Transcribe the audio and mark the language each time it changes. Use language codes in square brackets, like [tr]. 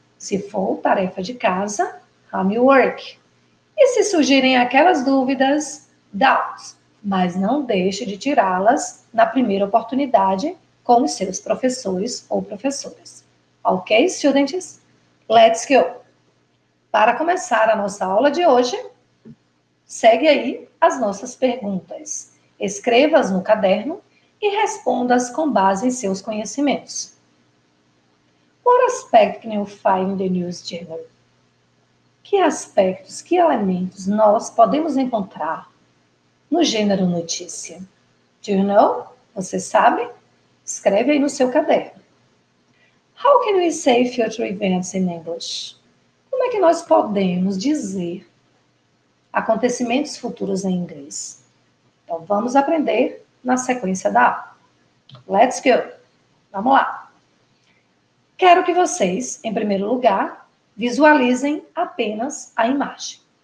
[pt] Se for tarefa de casa, homework. E se surgirem aquelas dúvidas, doubts, mas não deixe de tirá-las na primeira oportunidade com os seus professores ou professoras. [en] Ok, students? Let's go! [pt] Para começar a nossa aula de hoje, segue aí as nossas perguntas. Escreva-as no caderno e responda-as com base em seus conhecimentos. [en] What aspect can you find in the news channel? [pt] Que aspectos, que elementos nós podemos encontrar no gênero notícia? [en] Do you know? [pt] Você sabe? Escreve aí no seu caderno. [en] How can we say future events in English? [pt] Como é que nós podemos dizer acontecimentos futuros em inglês? Então, vamos aprender na sequência da aula. [en] Let's go! [pt] Vamos lá! Quero que vocês, em primeiro lugar, visualizem apenas a imagem.